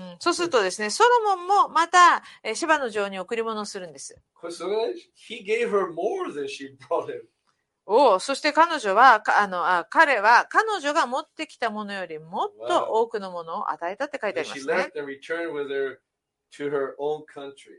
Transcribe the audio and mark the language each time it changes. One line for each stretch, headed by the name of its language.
Japanese: そうするとですね、ソロモンもまたシバの女王に贈り物をするんです。
English: He gave her more than she brought him.
Japanese: おお、そして彼女は彼は彼女が持ってきたものよりもっと多くのものを与えたって書いてありますね。
English: She left and returned with her to her own country.